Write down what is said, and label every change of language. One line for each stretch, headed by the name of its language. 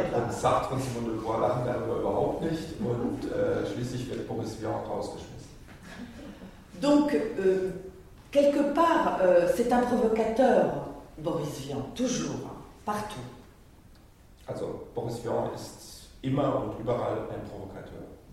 German: Sartre und Simone de Beauvoir lachen darüber überhaupt nicht und schließlich wird Boris Vian auch rausgeschmissen.
French: Donc, quelque part, c'est un provocateur, Boris Vian, toujours, partout.
German: Also, Boris Vian ist immer und überall ein Provokateur.